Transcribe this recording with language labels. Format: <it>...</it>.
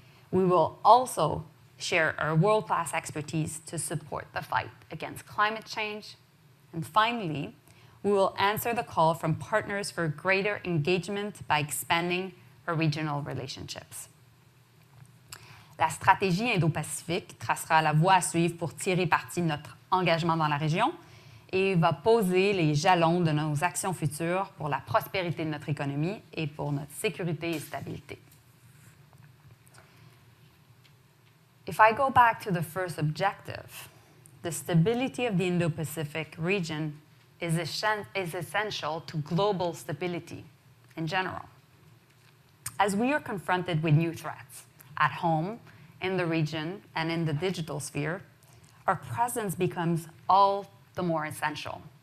<en>We will also share our world-class expertise to support the fight against climate change. And finally, we will answer the call from partners for greater engagement by expanding our regional relationships.</en> <fr>La stratégie Indo-Pacifique tracera la voie à suivre pour tirer parti de notre engagement dans la région et va poser les jalons de nos actions futures pour la prospérité de notre économie et pour notre sécurité et stabilité.</fr> <en>If I go back to the first objective, the stability of the Indo-Pacific region is essential to global stability in general. As we are confronted with new threats at home, in the region, and in the digital sphere, our presence becomes all the more essential.</en>